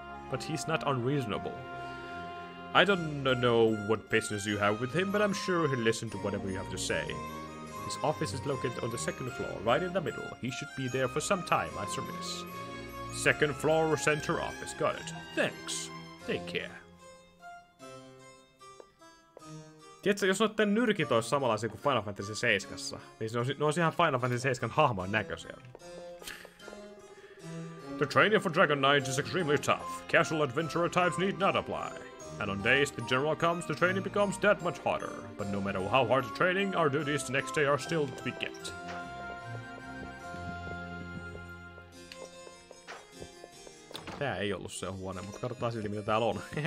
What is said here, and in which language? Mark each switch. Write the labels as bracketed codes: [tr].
[en] But he's not unreasonable. I don't know what business you have with him, but I'm sure he'll listen to whatever you have to say. His office is located on the second floor, right in the middle. He should be there for some time, I surmise. Second floor center office, got it. Thanks. Take care. [fi] Tiedätkö, jos noitten nyrkit olisi samanlaisia kuin Final Fantasy 7, niin ne olisi ihan Final Fantasy 7 hahmon näköisiä. [en] The training for Dragon Knight is extremely tough. Casual adventurer types need not apply. And on days the general comes, the training becomes that much harder. But no matter how hard the training, our duties the next day are still to be kept. [fi] Tää ei ollut se huone, mutta katsotaan silti mitä täällä on.